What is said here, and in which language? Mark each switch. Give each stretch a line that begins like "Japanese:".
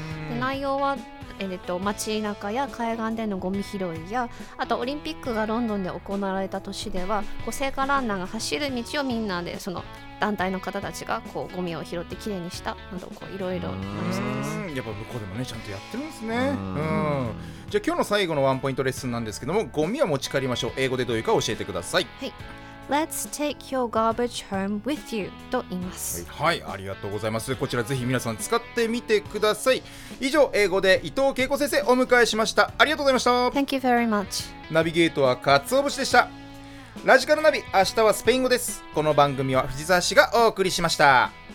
Japanese: で、内容は街中や海岸でのゴミ拾いや、あとオリンピックがロンドンで行われた年では、こう聖火ランナーが走る道をみんなでその団体の方たちがこうゴミを拾ってきれいにしたなど、こういろいろやっぱ向こうでもねちゃんとやってるんですね。じゃあ今日の最後のワンポイントレッスンなんですけども、ゴミは持ち帰りましょう、英語でどういうか教えてください。
English: はい、Let's take your garbage home with you
Japanese: と言います。はい、ありがとうございます。こちらぜひ皆さん使ってみてください。以上、英語で伊藤恵子先生お迎えしました。ありがとうございました。
English: Thank you very much。
Japanese: ナビゲートはカツオ節でした。ラジカルナビ、明日はスペイン語です。この番組は藤沢氏がお送りしました。